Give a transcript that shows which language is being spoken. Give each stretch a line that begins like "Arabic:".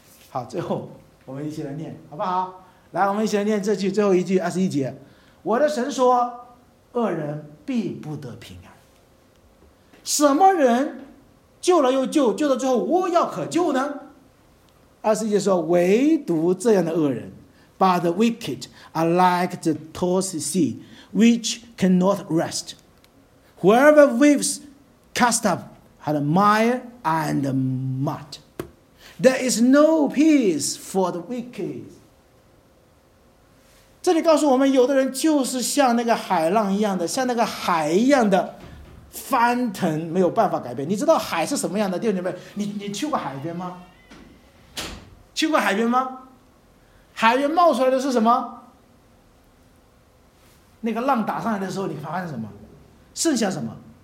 Chinese: 好，最后我们一起来念好不好？来，我们一起来念这句最后一句，21节。我的神说，恶人必不得平安。什么人救了又救，救到最后无药可救呢？ 21节说，唯独这样的恶人。
English: But the wicked are like the tossed sea, which cannot rest. Wherever waves cast up are mire and mud. There is no peace for the wicked.
Chinese: 这里告诉我们，有的人就是像那个海浪一样的，像那个海一样的翻腾，没有办法改变。你知道海是什么样的？弟兄姐妹，你去过海边吗？去过海边吗？海边冒出来的是什么？那个浪打上来的时候，你发现什么？剩下什么？